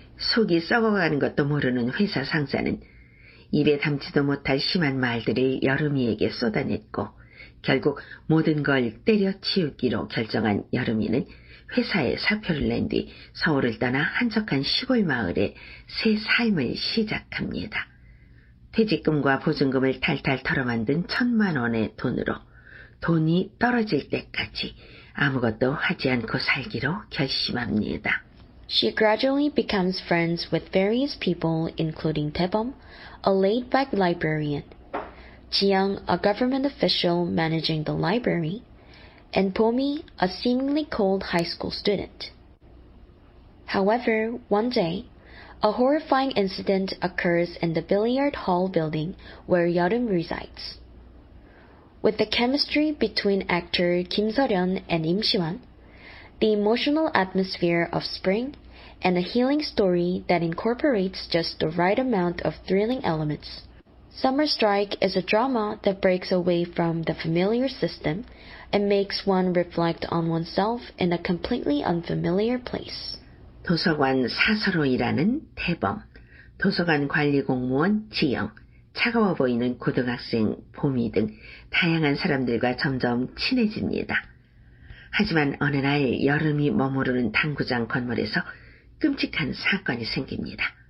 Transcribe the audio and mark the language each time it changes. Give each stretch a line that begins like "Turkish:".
Korean: 속이 썩어가는 것도 모르는 회사 상사는 입에 담지도 못할 심한 말들을 여름이에게 쏟아냈고 결국 모든 걸 때려치우기로 결정한 여름이는 회사에 사표를 낸 뒤 서울을 떠나 한적한 시골 마을에 새 삶을 시작합니다. 퇴직금과 보증금을 탈탈 털어 만든 천만 원의 돈으로 돈이 떨어질 때까지 아무것도 하지 않고 살기로 결심합니다.
English: She gradually becomes friends with various people, including Daebeom, a laid-back librarian, Jiyoung, a government official managing the library, and Bomi, a seemingly cold high school student. However, one day, a horrifying incident occurs in the billiard hall building where Yeoreum resides. With the chemistry between actor Kim Seo-ryun and Im Si-hwan, the emotional atmosphere of spring, and a healing story that incorporates just the right amount of thrilling elements, Summer Strike is a drama that breaks away from the familiar system and makes one reflect on oneself in a completely unfamiliar place.
Korean: 도서관 사서로 일하는 대범, 도서관 관리 공무원 지영, 차가워 보이는 고등학생 보미 등 다양한 사람들과 점점 친해집니다. 하지만 어느 날 여름이 머무르는 당구장 건물에서 끔찍한 사건이 생깁니다.